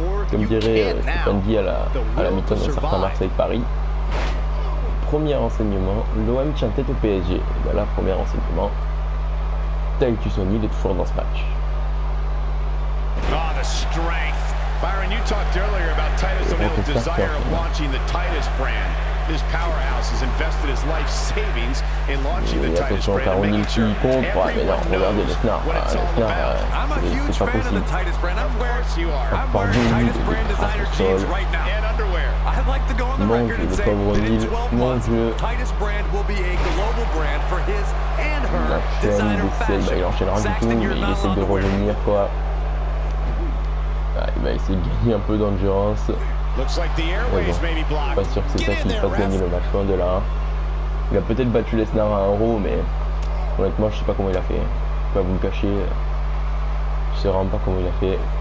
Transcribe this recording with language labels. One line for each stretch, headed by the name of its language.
French: Comme dirait Stanley à la méthode d'un certain Marseille Paris. Premier enseignement, l'OM tient tête au PSG. Et bien là, premier enseignement, Titus O'Neil est toujours dans ce match.
English: Oh, the strength. Byron, you talked earlier about Titus O'Neil's desire of launching the Titus brand. His powerhouse has invested his life savings in launching the Titus brand.
French: Mais il y a quelque chose qu'on compte, mais non, regardez Lesnar. Lesnar, c'est pas possible.
English: I'm a huge fan of the Titus brand. I'm wearing Titus brand designer jeans right now. And underwear. I'd like to go on the record and say that in 12 months, Titus brand will be a global brand for his and her designer fashion. Saxton, you're not on the
French: revenir, quoi. Ah, il va essayer de gagner un peu d'endurance. Ouais, bon. Pas sûr que c'est ça qui lui fasse gagner le match loin de là. Il a peut-être battu Lesnar à 1€, mais honnêtement, je sais pas comment il a fait. Je vais pas vous le cacher. Je sais vraiment pas comment il a fait.